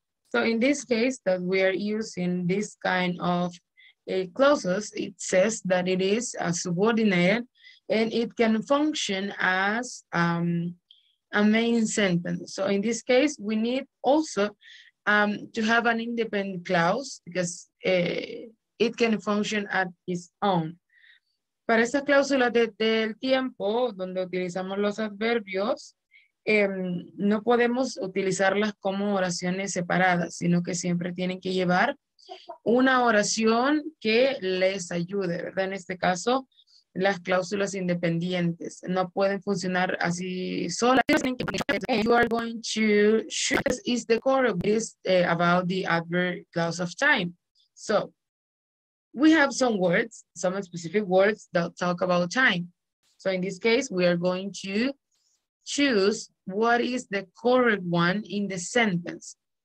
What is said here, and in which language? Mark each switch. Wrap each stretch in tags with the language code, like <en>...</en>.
<en>So in this case, that we are using this kind of clauses, it says that it is a subordinate and it can function as a main sentence. So in this case, we need also to have an independent clause, because it can function at its own.</en> <es>Para esta cláusula del tiempo, donde utilizamos los adverbios, no podemos utilizarlas como oraciones separadas, sino que siempre tienen que llevar una oración que les ayude, ¿verdad? En este caso, las cláusulas independientes no pueden funcionar así solas.</es> <en>You are going to show this is the core of this about the adverb clause of time. So we have some words, some specific words that talk about time. So in this case, we are going to choose what is the correct one in the sentence.</en>